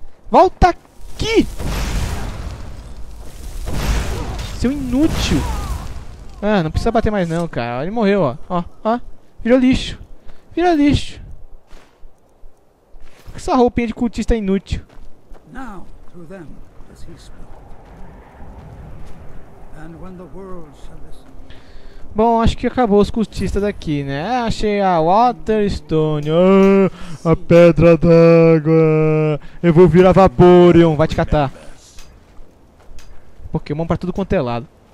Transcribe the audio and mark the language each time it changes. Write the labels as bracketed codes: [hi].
[pt] Volta aqui. Seu inútil. Ah, não precisa bater mais não, cara. Ele morreu, ó. Ó, ó. Virou lixo. Vira lixo. Essa roupinha de cultista é inútil. [en] Now, through them, as he spoke. And when the world shall listen. [pt] Bom, acho que acabou os cultistas daqui, né? Achei a Waterstone. Ah, a pedra d'água. Eu vou virar Vaporeon. Vai te catar. Pokémon pra tudo quanto é lado.